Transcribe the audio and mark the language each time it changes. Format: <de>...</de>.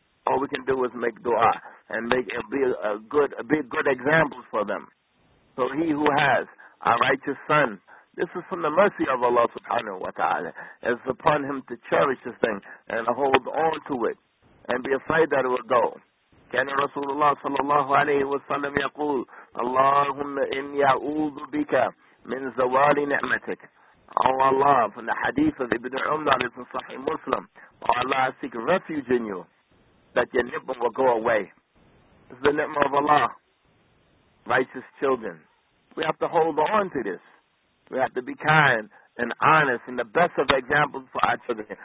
<en>All we can do is make dua and be good examples for them. So he who has a righteous son, this is from the mercy of Allah subhanahu wa ta'ala. It's upon him to cherish this thing and hold on to it and be afraid that it will go.</en> <ar>كان رسول الله صلى الله عليه وسلم يقول اللهم إني أعوذ بك من زوال نعمتك.</ar> <en>Oh Allah, from the hadith of Ibn Umar, it's in Sahih Muslim. Oh Allah, I seek refuge in you, that your ni'mah will go away. It's the ni'mah of Allah, righteous children. We have to hold on to this. We have to be kind and honest and the best of examples for our children.</en>